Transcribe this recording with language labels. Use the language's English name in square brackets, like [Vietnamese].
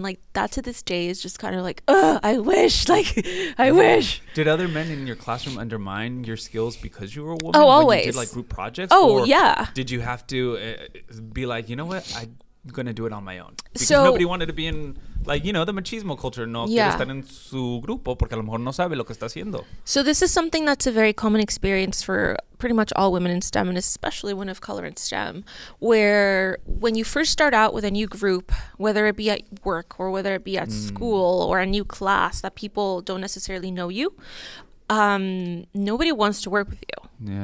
[English] Like, that to this day is just kind of like, ugh, I wish, like, I wish. Did other men in your classroom undermine your skills because you were a woman? Oh, always. You did like group projects? Oh, or yeah. Did you have to be like, you know what? I going to do it on my own. Because nobody wanted to be in, like, you know, the machismo culture. [Spanish] No quiere estar en su grupo porque a lo mejor no sabe lo que está haciendo. [English] So this is something that's a very common experience for pretty much all women in STEM, and especially women of color in STEM, where when you first start out with a new group, whether it be at work or whether it be at school or a new class that people don't necessarily know you, nobody wants to work with you. Yeah.